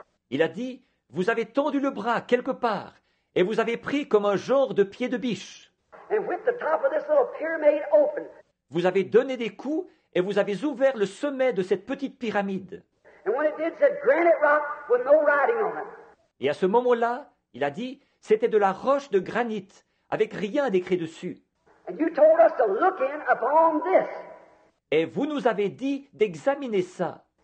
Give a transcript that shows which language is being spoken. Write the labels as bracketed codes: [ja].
[fr] Il a dit, vous avez tendu le bras quelque part et vous avez pris comme un genre de pied de biche. [en] And with the top of this little pyramid open. [fr] Vous avez donné des coups et vous avez ouvert le sommet de cette petite pyramide. [en] And when it did, said granite rock with no writing on it. [fr] Et à ce moment-là, il a dit, c'était de la roche de granit avec rien d'écrit dessus. [en] And you told us to look in upon this. [fr] Et vous nous avez dit d'examiner ça.